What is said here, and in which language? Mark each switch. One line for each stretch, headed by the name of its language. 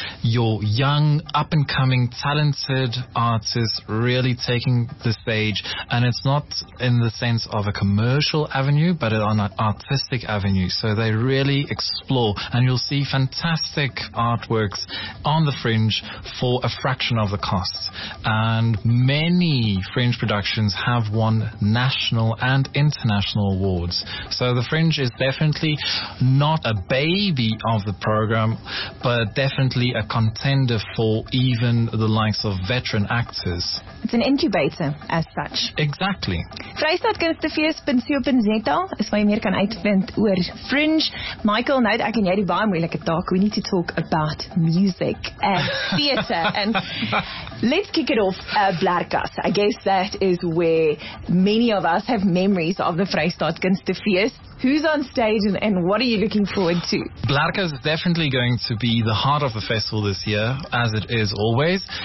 English: your young, up-and-coming, talented artists really taking the stage, and it's not in the sense of a commercial avenue, but on an artistic avenue, so they really explore, and you'll see fantastic artworks on the Fringe for a fraction of the cost, and many Fringe productions have won national and international awards. So the Fringe is definitely not a baby of the program, but definitely a contender for even the likes of veteran actors. It's an incubator as such. Exactly.
Afrikaans: Vrystaatkunstefees.co.za is waar jy meer kan uitvind oor Fringe. Michael, nou ek en jy die baie moeilike taak.
English: We need to talk about music and theater. And let's kick it off Blerkas. I guess that is where many of us have memories of the Vrystaat Kunstefees. Who's on stage and what are you looking forward to? Blerkas is definitely going to be the heart of the festival this year, as it is always.